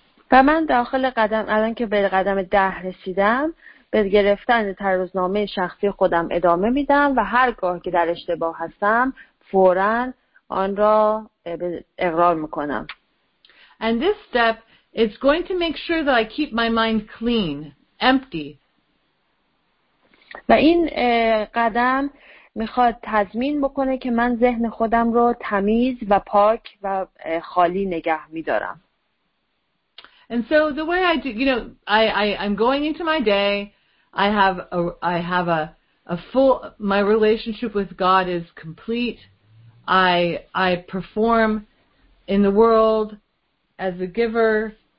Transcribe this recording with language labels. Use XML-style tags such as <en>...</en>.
<fa>و من داخل قدم الان که به قدم 10 رسیدم به گرفتن ترازنامه شخصی خودم ادامه میدم و هرگاه که در اشتباه هستم فوراً آن را اقرار میکنم.</fa> <en>And this step is going to make sure that I keep my mind clean, empty.</en> <fa>و این قدم میخواد تضمین بکنه که من ذهن خودم رو تمیز و پاک و خالی نگه میدارم.</fa> <en>And so the way I do, you know, I'm going into my day. I have a full. My relationship with God is complete. I perform in the world as a giver.</en>